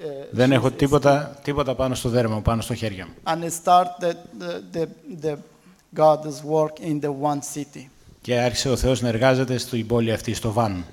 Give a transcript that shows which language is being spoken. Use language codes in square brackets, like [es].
[el] Δεν έχω τίποτα πάνω στο δέρμα, πάνω στο χέρι μου. [en] And start the God's work in the one city. [el] Και άρχισε ο Θεός να εργάζεται στην πόλη αυτή, στο Βαν.